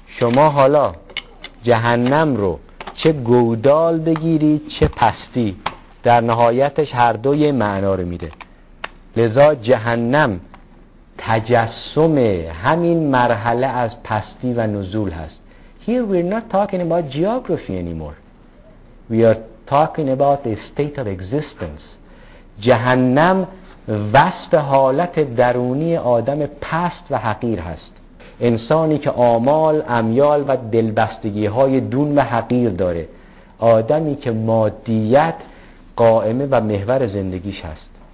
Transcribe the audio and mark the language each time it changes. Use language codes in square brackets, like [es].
[fa] شما حالا جهنم رو چه گودال بگیری چه پستی، در نهایتش هر دو یه معنا رو میده. لذا جهنم تجسم همین مرحله از پستی و نزول هست. [en] Here we're not talking about geography anymore. We are talking about the state of existence. [fa] جهنم وسط حالت درونی آدم پست و حقیر هست. انسانی که آمال، امیال و دلبستگی های دون و حقیر داره، آدمی که مادیت قائمه و محور زندگیش هست.